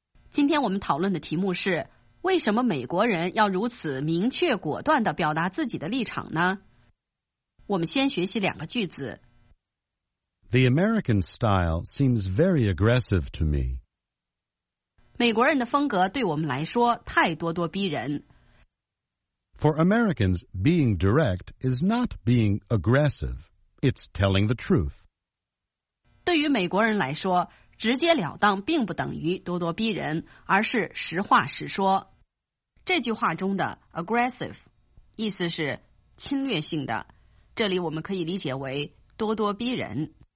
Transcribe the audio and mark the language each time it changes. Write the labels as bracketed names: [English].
[Chinese] 今天我们讨论的题目是，为什么美国人要如此明确果断地表达自己的立场呢？我们先学习两个句子。 [English] The American style seems very aggressive to me. [Chinese] 美国人的风格对我们来说太咄咄逼人。 [English] For Americans, being direct is not being aggressive. It's telling the truth. [Chinese] 对于美国人来说，直截了当并不等于咄咄逼人，而是实话实说。这句话中的 aggressive 意思是侵略性的，这里我们可以理解为咄咄逼人。